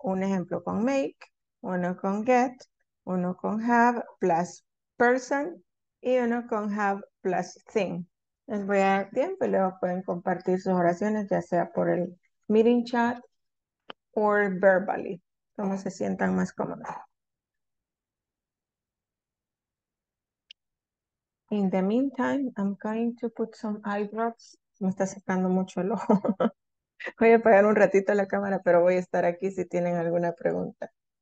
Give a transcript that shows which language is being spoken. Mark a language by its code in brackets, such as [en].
[es] Un ejemplo con make, uno con get, uno con have plus person y uno con have plus thing. Les voy a dar tiempo y luego pueden compartir sus oraciones, ya sea por el meeting chat o verbally, como se sientan más cómodos. [en] In the meantime, I'm going to put some eye drops. [es] Me está secando mucho el ojo. Voy a apagar un ratito la cámara, pero voy a estar aquí si tienen alguna pregunta.